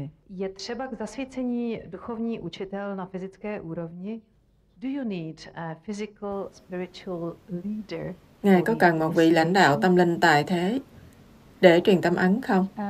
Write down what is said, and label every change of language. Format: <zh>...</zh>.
<cs>Je třeba k zasvěcení duchovní učitel na fyzické úrovni?</cs> <en>Do you need a physical spiritual leader?</en> <vi>Ngài có cần một vị lãnh đạo tâm linh tại thế để truyền tâm ấn không?</vi>